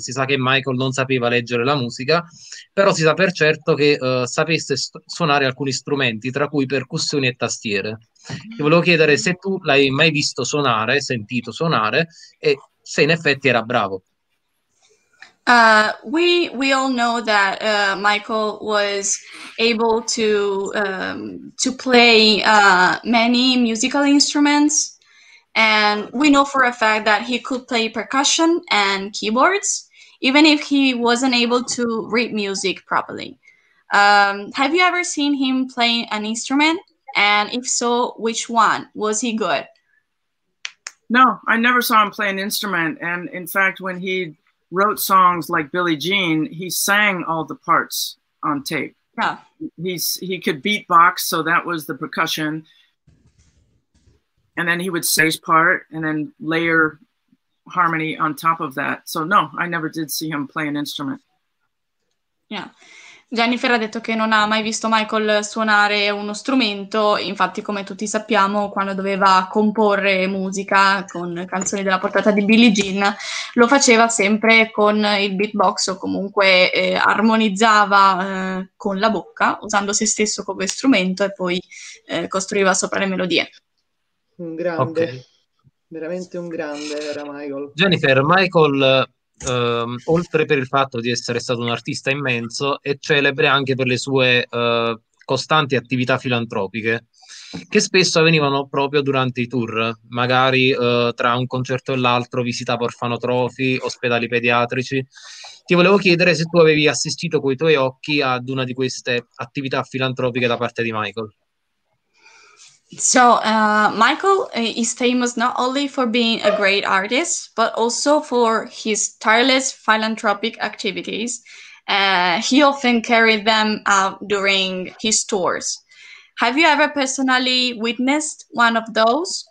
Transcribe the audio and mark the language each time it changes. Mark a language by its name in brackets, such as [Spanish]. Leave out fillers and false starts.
[Italian] Si sa che Michael non sapeva leggere la musica, però si sa per certo che sapesse suonare alcuni strumenti, tra cui percussioni e tastiere. Ti volevo chiedere se tu l'hai mai visto suonare, sentito suonare, e se in effetti era bravo. [English] We all know that Michael was able to play many musical instruments, and we know for a fact that he could play percussion and keyboards, even if he wasn't able to read music properly. Have you ever seen him play an instrument? And if so, which one? Was he good? No, I never saw him play an instrument. And in fact, when he wrote songs like Billie Jean, he sang all the parts on tape. Yeah. He could beatbox, so that was the percussion. And then he would say his part and then layer harmony on top of that. So no, I never did see him play an instrument. Yeah. [Italian] Jennifer ha detto che non ha mai visto Michael suonare uno strumento, infatti come tutti sappiamo quando doveva comporre musica con canzoni della portata di Billie Jean lo faceva sempre con il beatbox o comunque armonizzava con la bocca usando se stesso come strumento e poi costruiva sopra le melodie. Un grande, okay. Veramente un grande era Michael. Jennifer, Michael... oltre per il fatto di essere stato un artista immenso, è celebre anche per le sue costanti attività filantropiche, che spesso avvenivano proprio durante i tour, magari tra un concerto e l'altro, visitava orfanotrofi, ospedali pediatrici. Ti volevo chiedere se tu avevi assistito coi tuoi occhi ad una di queste attività filantropiche da parte di Michael. [English] So, Michael is famous not only for being a great artist, but also for his tireless philanthropic activities. He often carried them out during his tours. Have you ever personally witnessed one of those?